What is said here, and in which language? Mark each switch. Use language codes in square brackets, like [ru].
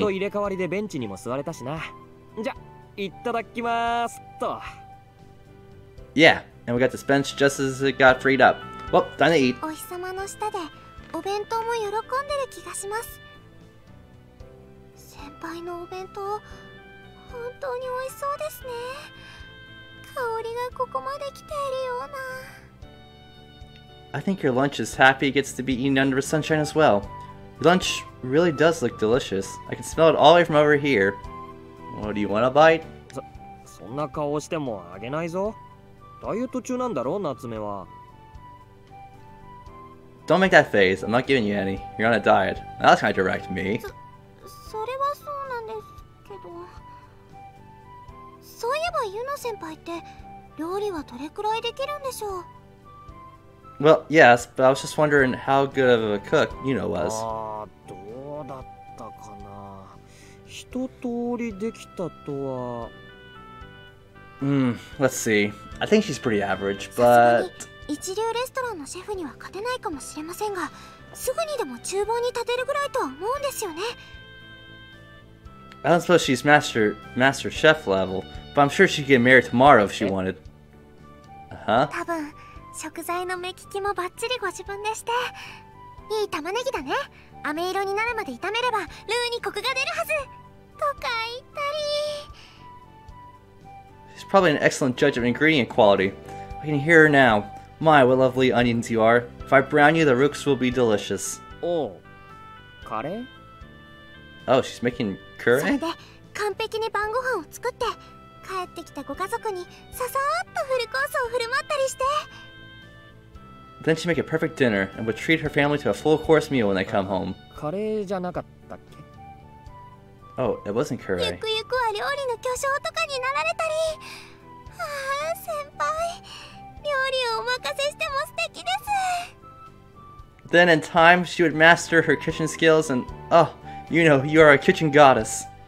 [ja] ちょうど入れ替わりでベンチにも座れたしな。じゃ、いただきますと。 [en] Yeah.And we got this bench just as it got freed up. Well, time to eat. [ja] お日様の下でお弁当も喜んでる気がします。先輩のお弁当本当に美味しそうですね。香りがここまで来ているような。 [en] I think your lunch is happy it gets to be eaten under the sunshine as well. Your lunch really does look delicious. I can smell it all the way from over here. What do you want a bite? [ja] そんな顔をしてもあげないぞ。ダイエット中なんだろう、ナツメは。 [en] Don't make that face. I'm not giving you any. You're on a diet. That's kind of direct, me. [ja] それはそうなんですけど。そういえば、ユノ先輩って料理はどれくらいできるんでしょう。 [en] Well, yes, but I was just wondering how good of a cook ユノ was. [ja] どうだったかな。一通りできたとは。 [en] Let's see. I think she's pretty average, but... [ja] 一流レストランのシェフには勝てないかもしれませんが、すぐにでも厨房に立てるぐらいとは思うんですよね。 [en] I don't suppose she's master chef level, but I'm sure she could get married tomorrow if she wanted. Uh-huh. [ja] 多分、食材の目利きもバッチリご自分でして。いい玉ねぎだね。飴色になるまで炒めれば、ルーにコクが出るはず。とか言ったり。 [en] She's probably an excellent judge of ingredient quality. I can hear her now. My, what lovely onions you are. If I brown you, the rooks will be delicious. [ja] Oh, カレ [en] ー? Oh, she's making curry? [ja] それで、完璧に晩御飯を作って、帰ってきたご家族にささーっとフルコースを振る舞ったりして。 [en] Then she make a perfect dinner and would treat her family to a full course meal when they come home. [ja] カレーじゃなかったっけ? [en] Oh, it wasn't curry. [ja] ゆくゆくは料理の巨匠とかになられたり。ああ、先輩。料理をお任せしても素敵です。 [en] Then in time, she would master her kitchen skills and, oh, you know, you are a kitchen goddess.